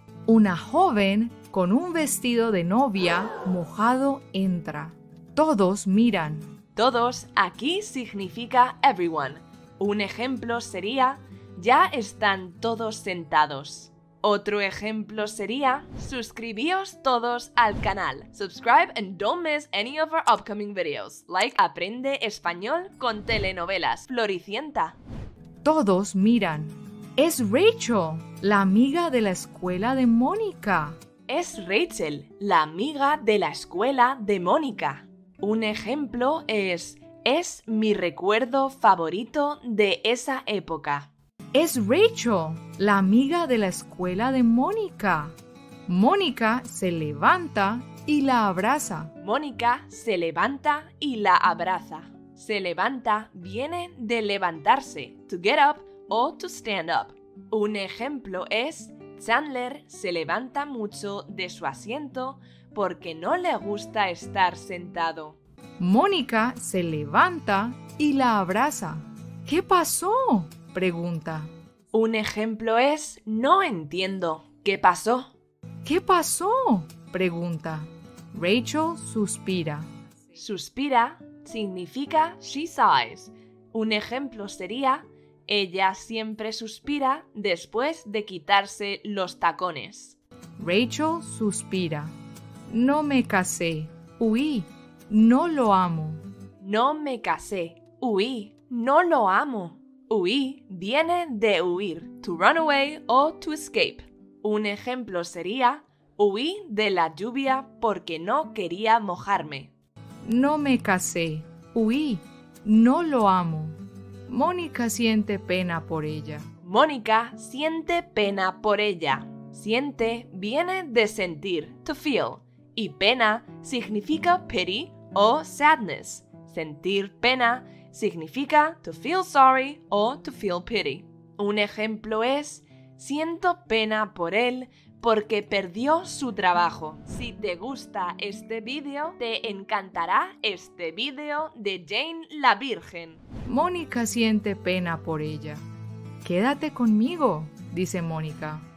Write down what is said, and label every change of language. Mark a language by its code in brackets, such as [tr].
[es] Una joven con un vestido de novia mojado entra. Todos miran. Todos aquí significa everyone. Un ejemplo sería, ya están todos sentados. Otro ejemplo sería, suscribíos todos al canal. [en] Subscribe and don't miss any of our upcoming videos. Like Aprende Español con Telenovelas, Floricienta. [es] Todos miran. Es Rachel, la amiga de la escuela de Mónica. Es Rachel, la amiga de la escuela de Mónica. Un ejemplo es mi recuerdo favorito de esa época. Es Rachel, la amiga de la escuela de Mónica. Mónica se levanta y la abraza. Mónica se levanta y la abraza. Se levanta viene de levantarse, [en] to get up [es] o [en] to stand up. [es] Un ejemplo es, Chandler se levanta mucho de su asiento porque no le gusta estar sentado. Mónica se levanta y la abraza. ¿Qué pasó? pregunta. Un ejemplo es, no entiendo, ¿qué pasó? ¿Qué pasó? Pregunta. Rachel suspira. Suspira significa [en] she sighs. [es] Un ejemplo sería, ella siempre suspira después de quitarse los tacones. Rachel suspira. No me casé, huí, no lo amo. No me casé, huí, no lo amo. Huí viene de huir, [en] to run away [es] o [en] to escape. [es] Un ejemplo sería, huí de la lluvia porque no quería mojarme. No me casé, huí, no lo amo. Mónica siente pena por ella. Mónica siente pena por ella. Siente viene de sentir, [en] to feel. [es] Y pena significa pity o sadness. Sentir pena significa [en] to feel sorry [es] o [en] to feel pity. [es] Un ejemplo es, siento pena por él porque perdió su trabajo. Si te gusta este vídeo, te encantará este vídeo de Jane la Virgen. Mónica siente pena por ella. Quédate conmigo, dice Mónica.